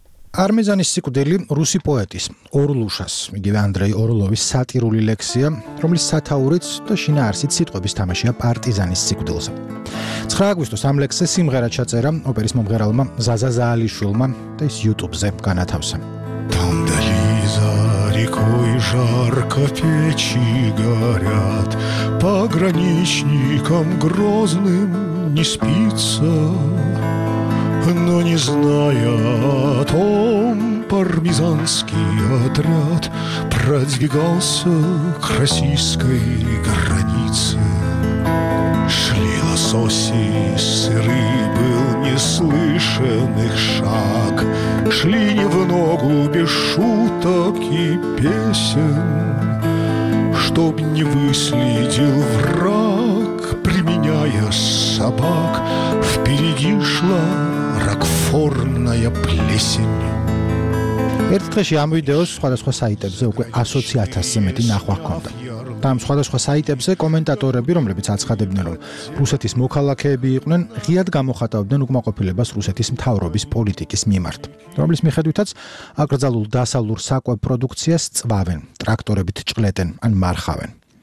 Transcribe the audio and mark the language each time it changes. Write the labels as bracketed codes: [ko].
[ka] არმეზანის სიკვდილი რუსი პოეტის ორლუშას, იგივე ანდრეი ორლოვის სატირული ლექსია, რომლის სათაურიც და შინაარსიც სიტყვების თამაშია პარტიზანის სიკვდილზე. 9 აგვისტოს ამ ლექსზე სიმღერა ჩაწერა ოპერის მომღერალმა ზაზა ზაალიშვილმა და ის YouTube-ზე განათავსა. [ru] Там дали за рекой жарко печи горят, пограничникам грозным не спится. Но не зная о том, партизанский отряд продвигался к российской границе. Шли лососи, сыры, был не слышен их шаг. Шли не в ногу без шуток и песен, чтоб не выследил враг, применяя собак. Впереди шла ракфорная плесень. [ka] Ერთხელ ამ ვიდეოს სხვადასხვა საიტებზე უკვე 120,000-ზე მეტი ნახვა ჰქონდა. და სხვადასხვა საიტებზე კომენტატორები, რომლებიც აცხადებდნენ, რომ რუსეთის მოქალაქეები იყვნენ, ღიად გამოხატავდნენ უკმაყოფილებას რუსეთის მთავრობის პოლიტიკის მიმართ, რომლის მიხედვითაც აკრძალულ დასალურ საკვეპროდუქციას წვავენ, ტრაქტორებით ჭყლეტენ ან მარხავენ.